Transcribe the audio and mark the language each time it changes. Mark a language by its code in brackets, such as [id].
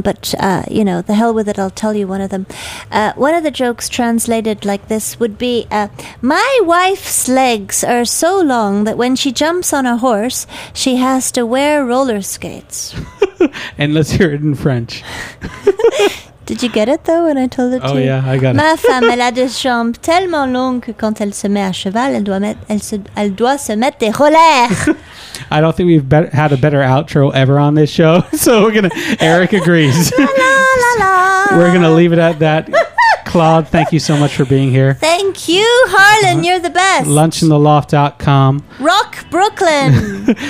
[en] But, you know, the hell with it, I'll tell you one of them. One of the jokes translated like this would be, my wife's legs are so long that when she jumps on a horse, she has to wear roller skates. And let's hear it in French. Did you get it though when I told it to you? Oh yeah, I got it. [fr] Ma femme, elle a des jambes tellement longues que quand elle se met à cheval, elle doit se mettre des rollers. [en] I don't think we've had a better outro ever on this show, so we're gonna. Eric agrees. La la la. We're gonna leave it at that. Claude, thank you so much for being here. Thank you, Harlan. You're the best. Lunchintheloft.com. Rock Brooklyn.